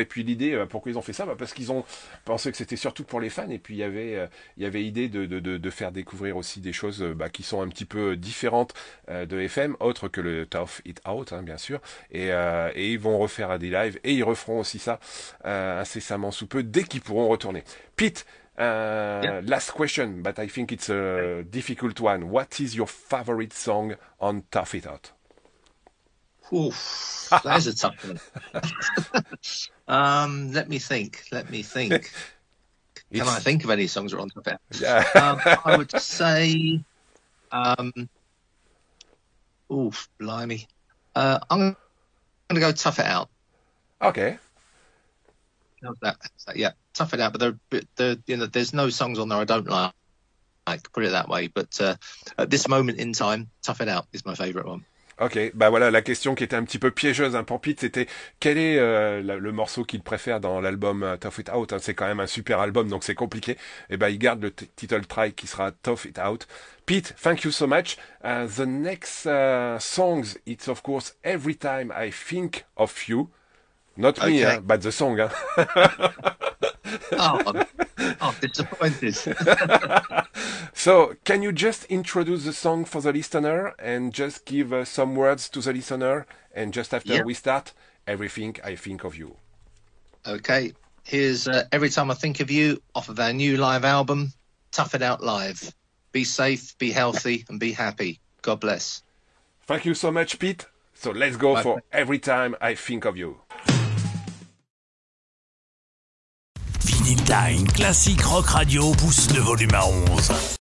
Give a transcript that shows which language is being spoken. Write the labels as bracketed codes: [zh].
[fr] Et puis l'idée, pourquoi ils ont fait ça? Bah, parce qu'ils ont pensé que c'était surtout pour les fans. Et puis il y avait idée de faire découvrir aussi des choses bah, qui sont un petit peu différentes de FM, autre que le Tough It Out, hein, bien sûr. Et ils vont refaire des lives et ils referont aussi ça incessamment sous peu dès qu'ils pourront retourner. [en] Pete. Last question, but I think it's a difficult one. What is your favorite song on Tough It Out? Oof, that is a tough one. Let me think. Can I think of any songs that are on Tough It Out? Yeah. I would say, oof, blimey. I'm going to go Tough It Out. Okay. Tough It Out, but there's no songs on there I don't like, put it that way. But at this moment in time, Tough It Out is my favorite one. [fr] Ok, bah voilà, la question qui était un petit peu piégeuse hein, pour Pete, c'était quel est le morceau qu'il préfère dans l'album Tough It Out, hein, c'est quand même un super album, donc c'est compliqué. Et bah, il garde le title track qui sera Tough It Out. Pete, [en] thank you so much. The next songs, it's of course Every Time I Think of You. Not me, hein, but the song. Hein. Oh, I'm disappointed. So, can you just introduce the song for the listener and just give some words to the listener? And just after we start, Everything I Think of You. Okay, here's Every Time I Think of You off of our new live album, Tough It Out Live. Be safe, be healthy, and be happy. God bless. Thank you so much, Pete. So, let's go for Every Time I Think of You. [fr] Vinyl Time, classique rock radio, pousse le volume à 11.